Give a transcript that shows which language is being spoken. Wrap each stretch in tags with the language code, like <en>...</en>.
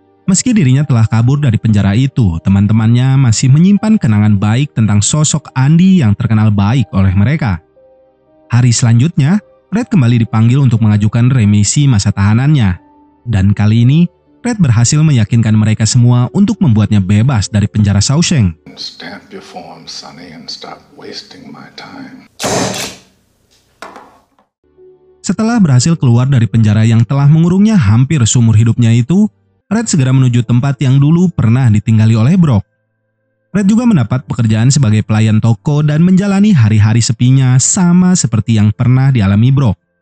<id>Meski dirinya telah kabur dari penjara itu, teman-temannya masih menyimpan kenangan baik tentang sosok Andy yang terkenal baik oleh mereka. Hari selanjutnya, Red kembali dipanggil untuk mengajukan remisi masa tahanannya. Dan kali ini, Red berhasil meyakinkan mereka semua untuk membuatnya bebas dari penjara Shawshank.</id> <en>Stamp your form, Sonny, and stop wasting my time.</en> <id>Setelah berhasil keluar dari penjara yang telah mengurungnya hampir seumur hidupnya itu, Red segera menuju tempat yang dulu pernah ditinggali oleh Brock. Red juga mendapat pekerjaan sebagai pelayan toko dan menjalani hari-hari sepinya sama seperti yang pernah dialami Brock.</id>